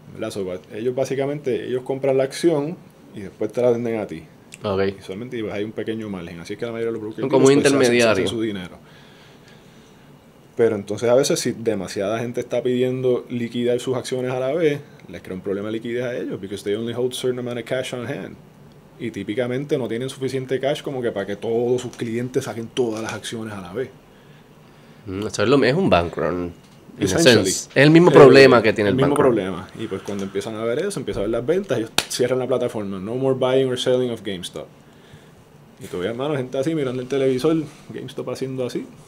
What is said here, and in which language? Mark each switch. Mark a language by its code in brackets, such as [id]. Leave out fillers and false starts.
[es] So, ellos básicamente compran la acción y después te la venden a ti. Okay. Y solamente pues, hay un pequeño margen. Así es que la mayoría de los brokers son como intermediarios. Su dinero. Pero entonces, a veces, si demasiada gente está pidiendo liquidar sus acciones a la vez, les crea un problema de liquidez a ellos. [en] Because they only hold certain amount of cash on hand. [es] Y típicamente no tienen suficiente cash como que para que todos sus clientes saquen todas las acciones a la vez. Eso es lo mismo, un bankrun. Es el mismo problema que tiene el mismo problema. Y pues cuando empiezan a ver eso, empiezan a ver las ventas, ellos cierran la plataforma. [en] No more buying or selling of GameStop. [es] Y todavía, hermano, gente así mirando el televisor, GameStop haciendo así.